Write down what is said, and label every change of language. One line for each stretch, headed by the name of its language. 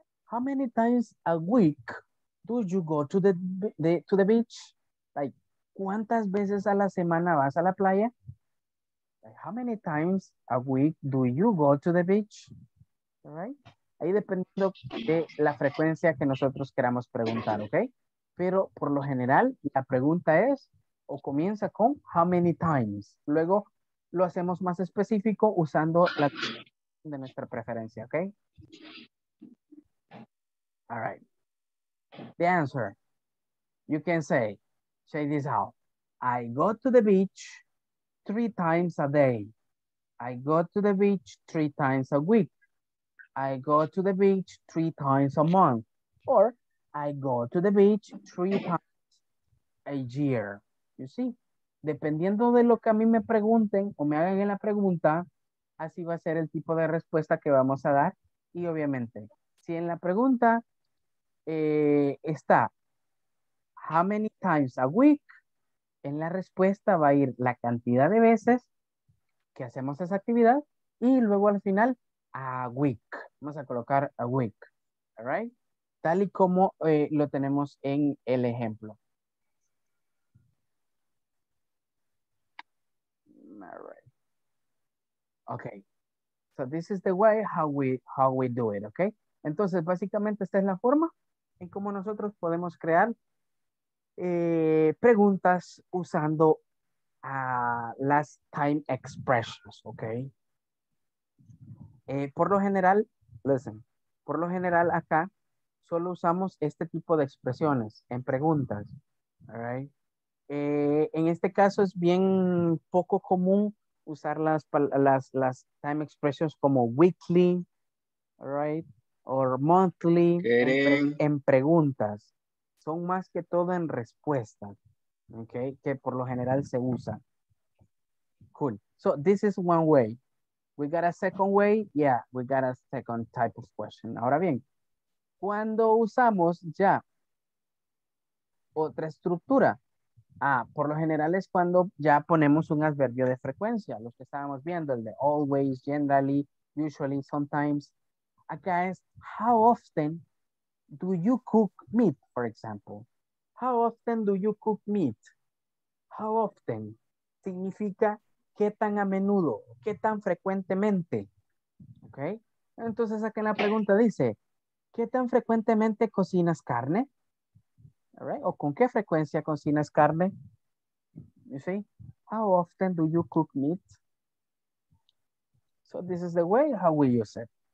English: How many times a week do you go to the beach?
Spanish: Like, ¿cuántas veces a la semana vas a la playa?
English: Like, how many times a week do you go to the beach? All right?
Spanish: Ahí dependiendo de la frecuencia que nosotros queramos preguntar, ¿ok? Pero por lo general, la pregunta es, o comienza con,
English: how many times?
Spanish: Luego, lo hacemos más específico usando la de nuestra preferencia, ¿ok?
English: All right. The answer, you can say, check this out. I go to the beach 3 times a day. I go to the beach 3 times a week. I go to the beach 3 times a month. Or I go to the beach 3 times a year. You see?
Spanish: Dependiendo de lo que a mí me pregunten o me hagan en la pregunta, así va a ser el tipo de respuesta que vamos a dar. Y obviamente, si en la pregunta está
English: how many times a week,
Spanish: en la respuesta va a ir la cantidad de veces que hacemos esa actividad y luego al final a week, vamos a colocar a week, all right, tal y como lo tenemos en el ejemplo.
English: All right, okay, so this is the way how we do it, okay.
Spanish: Entonces básicamente esta es la forma en cómo nosotros podemos crear preguntas usando las time expressions, ¿ok? Por lo general, listen, por lo general acá solo usamos este tipo de expresiones en preguntas, ¿alright? En este caso es bien poco común usar las time expressions como weekly, ¿alright? O monthly en preguntas. Son más que todo en respuesta. Ok. Que por lo general se usa. Cool.
English: So this is one way. We got a second way. Yeah. We got a second type of question.
Spanish: Ahora bien. Cuando usamos ya. Otra estructura. Ah. Por lo general es cuando ya ponemos un adverbio de frecuencia. Los que estábamos viendo. El de always, generally, usually, sometimes. Acá es,
English: how often do you cook meat, for example? How often do you cook meat? How often
Spanish: significa qué tan a menudo, qué tan frecuentemente,
English: ¿ok?
Spanish: Entonces acá en la pregunta dice, ¿qué tan frecuentemente cocinas carne? All right. ¿O con qué frecuencia cocinas carne?
English: You see, how often do you cook meat? So this is the way how we use it.